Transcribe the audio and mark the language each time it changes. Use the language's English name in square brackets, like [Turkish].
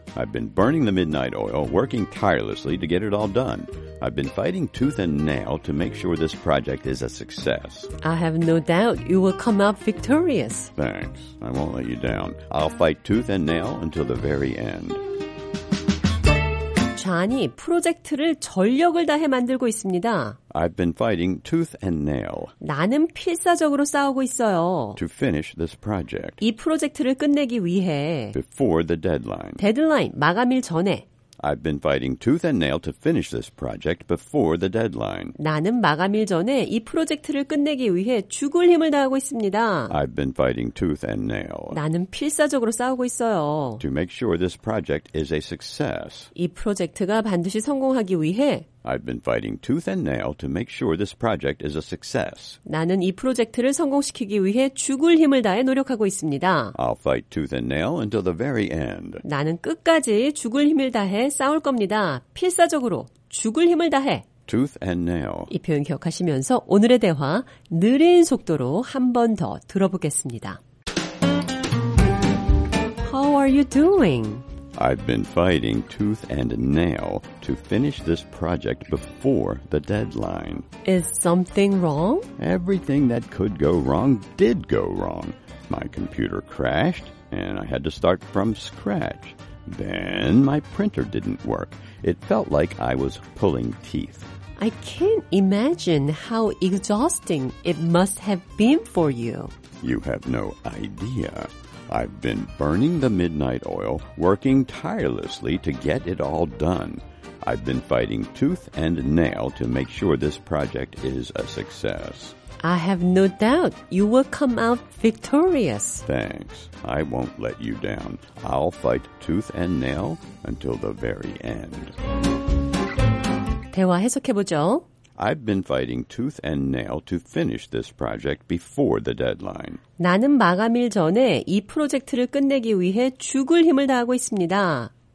[English] I've been burning the midnight oil, working tirelessly to get it all done. I've been fighting tooth and nail to make sure this project is a success. I have no doubt you will come out victorious. Thanks. I won't let you down. I'll fight tooth and nail until the very end. [Korean] 존이 프로젝트를 전력을 다해 만들고 있습니다. [English] I've been fighting tooth and nail. [Korean] 나는 필사적으로 싸우고 있어요. [English] To finish this project. [Korean] 이 프로젝트를 끝내기 위해. [English] Before the deadline. [Korean] 데드라인, 마감일 전에. [English] I've been fighting tooth and nail to finish this project before the deadline. [Korean] 나는 마감일 전에 이 프로젝트를 끝내기 위해 죽을 힘을 다하고 있습니다. [English] I've been fighting tooth and nail. [Korean] 나는 필사적으로 싸우고 있어요. [English] To make sure this project is a success. [Korean] 이 프로젝트가 반드시 성공하기 위해 [English] I've been fighting tooth and nail to make sure this project is a success. [Korean] 나는 이 프로젝트를 성공시키기 위해 죽을 힘을 다해 노력하고 있습니다. [English] I'll fight tooth and nail until the very end. [Korean] 나는 끝까지 죽을 힘을 다해 싸울 겁니다. 필사적으로 죽을 힘을 다해. [English] Tooth and nail. [Korean] 이 표현 기억하시면서 오늘의 대화 느린 속도로 한 번 더 들어보겠습니다. [English] How are you doing? I've been fighting tooth and nail to finish this project before the deadline. Is something wrong? Everything that could go wrong did go wrong. My computer crashed, and I had to start from scratch. Then my printer didn't work. It felt like I was pulling teeth. I can't imagine how exhausting it must have been for you. You have no idea. I've been burning the midnight oil, working tirelessly to get it all done. I've been fighting tooth and nail to make sure this project is a success. I have no doubt you will come out victorious. Thanks. I won't let you down. I'll fight tooth and nail until the very end. [Korean] 대화 해석해보죠. [English] I've been fighting tooth and nail to finish this project before the deadline. [Korean] 나는 마감일 전에 이 프로젝트를 끝내기 위해 죽을 힘을 다하고 있습니다.